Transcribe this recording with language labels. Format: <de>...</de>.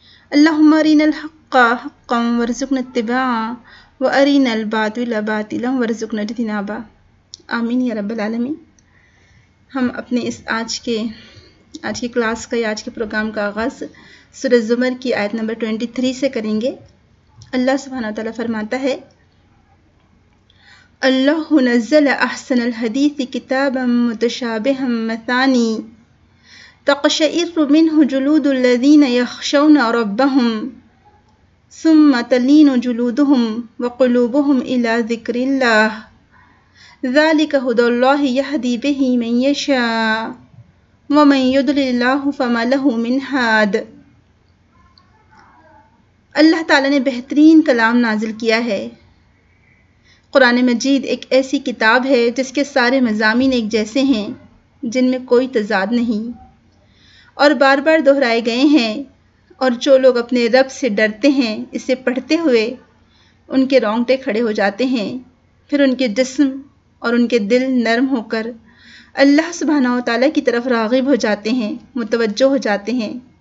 <ar>اللہم ارنا الحق حقا وارزقنا اتباعہ وارنا الباطل باطلا وارزقنا اجتنابہ، آمین یا رب العالمین.</ar> <ur>ہم اپنے اس آج کی کلاس کا یا آج کے پروگرام کا آغاز سورہ زمر کی آیت نمبر 23 سے کریں گے. اللہ سبحانہ وتعالی فرماتا ہے،</ur> <ar>اللہ نزل احسن الحدیث کتابا متشابہا مثانی تقشعر منه جلود الذين يخشون ربهم ثم تلين جلودهم وقلوبهم الى ذكر الله ذلك هدى الله يهدي به من يشاء ومن يضلل الله فما له من هاد.</ar> <ur>اللہ تعالی نے بہترین کلام نازل کیا ہے. قرآن مجید ایک ایسی کتاب ہے جس کے سارے مضامین ایک جیسے ہیں، جن میں کوئی تضاد نہیں اور بار بار دہرائے گئے ہیں، اور جو لوگ اپنے رب سے ڈرتے ہیں اسے پڑھتے ہوئے ان کے رونگٹے کھڑے ہو جاتے ہیں، پھر ان کے جسم اور ان کے دل نرم ہو کر اللہ سبحانہ و تعالیٰ کی طرف راغب ہو جاتے ہیں، متوجہ ہو جاتے ہیں.</ur>